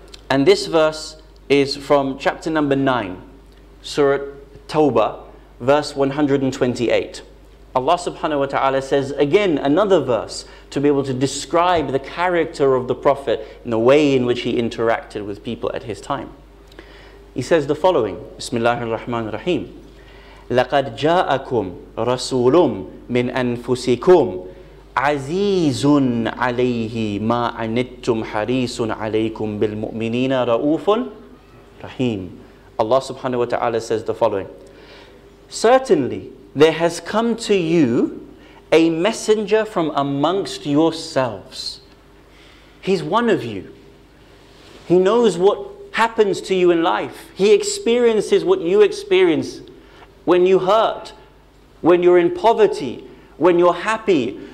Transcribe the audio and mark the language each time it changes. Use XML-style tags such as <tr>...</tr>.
<en>And this verse is from chapter number 9, Surah Tawbah, verse 128. Allah subhanahu wa ta'ala says again another verse to be able to describe the character of the Prophet and the way in which he interacted with people at his time. He says the following, Bismillahir Rahmanir Rahim.</en> <ar>لَقَدْ جَاءَكُمْ رَسُولٌ مِّنْ أَنفُسِكُمْ عَزِيزٌ عَلَيْهِ مَا عَنِتُّمْ حَرِيصٌ عَلَيْكُمْ بِالْمُؤْمِنِينَ رَؤُوفٌ رَحِيمٌ</ar> <en>Allah subhanahu wa ta'ala says the following. Certainly, there has come to you a messenger from amongst yourselves. He's one of you. He knows what happens to you in life. He experiences what you experience when you hurt, when you're in poverty, when you're happy.</en>